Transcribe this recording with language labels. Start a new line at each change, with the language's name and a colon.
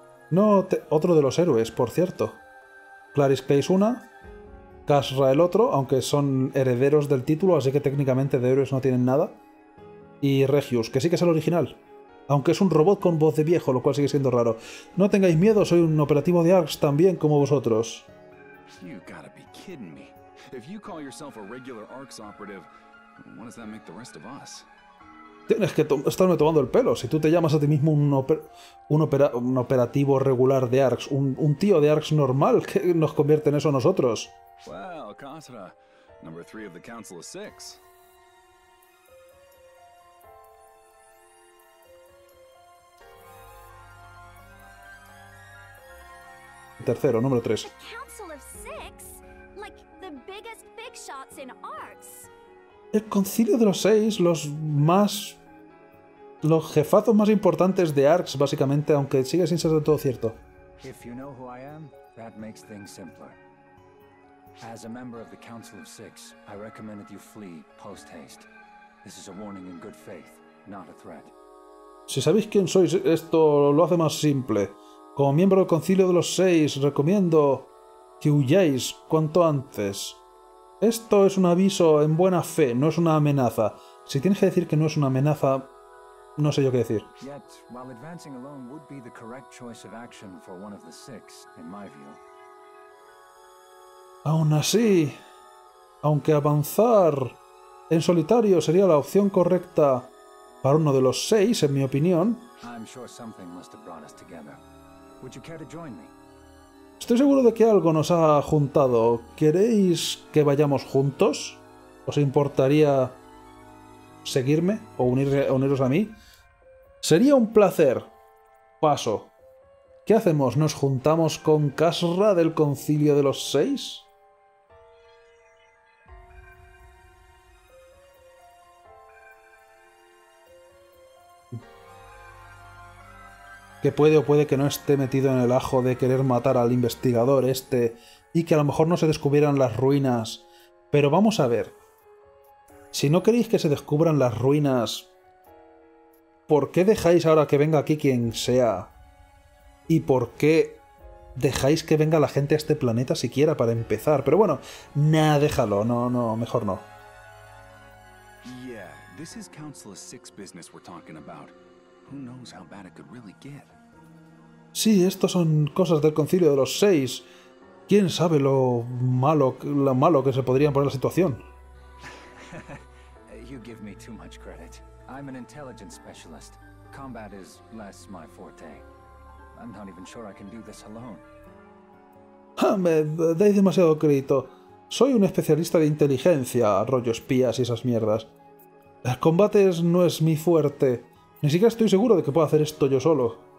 Spanish: No, otro de los héroes, por cierto. Clarice Clay es una, Kasra el otro, aunque son herederos del título, así que técnicamente de héroes no tienen nada. Y Regius, que sí que es el original. Aunque es un robot con voz de viejo, lo cual sigue siendo raro. No tengáis miedo, soy un operativo de ARX también, como vosotros.
English: You gotta be kidding me. If you call yourself a regular ARX operative, what does that make the rest of us?
Spanish: Tienes que estarme tomando el pelo. Si tú te llamas a ti mismo un operativo regular de ARX, un tío de ARX normal, ¿qué nos convierte en eso a nosotros?
English: Well, Kasra, number 3 of the Council of Six.
Spanish: Tercero, número 3.
English: The Council of Six, like the biggest big shots in ARX.
Spanish: El Concilio de los Seis, los jefazos más importantes de ARX, básicamente, aunque sigue sin ser del todo cierto.
English: If you know who I am, that makes things simpler. As a member of the Council of Six, I recommend that you flee post haste. This is a warning in good faith, not a threat.
Spanish: Si sabéis quién sois, esto lo hace más simple. Como miembro del Concilio de los Seis, recomiendo que huyáis cuanto antes. Esto es un aviso en buena fe, no es una amenaza. Si tienes que decir que no es una amenaza, no sé yo qué decir.
English: Yet, while advancing alone would be the correct choice of action for one of the six, in my view.
Spanish: Aún así, aunque avanzar en solitario sería la opción correcta para uno de los seis, en mi opinión.
English: I'm sure something must have brought us together. Would you care to join me?
Spanish: Estoy seguro de que algo nos ha juntado. ¿Queréis que vayamos juntos? ¿Os importaría seguirme o uniros a mí? Sería un placer. Paso. ¿Qué hacemos? ¿Nos juntamos con Kasra del Concilio de los Seis? Que puede o puede que no esté metido en el ajo de querer matar al investigador este y que a lo mejor no se descubrieran las ruinas. Pero vamos a ver. Si no queréis que se descubran las ruinas, ¿por qué dejáis ahora que venga aquí quien sea? ¿Y por qué dejáis que venga la gente a este planeta siquiera para empezar? Pero bueno, nada, déjalo. No, no, mejor no.
English: Yeah, this is Council of Six business we're talking about. Who knows how bad it could really get.
Spanish: Sí, estos son cosas del Concilio de los Seis. ¿Quién sabe lo malo que se podría poner la situación?
English: You give me too much credit. I'm an intelligence specialist. Combat is less my forte. I'm not even sure I can do this alone.
Spanish: Me dais demasiado crédito. Soy un especialista de inteligencia, rollo espías y esas mierdas. El combate no es mi fuerte. Ni siquiera estoy seguro de que pueda hacer esto yo solo.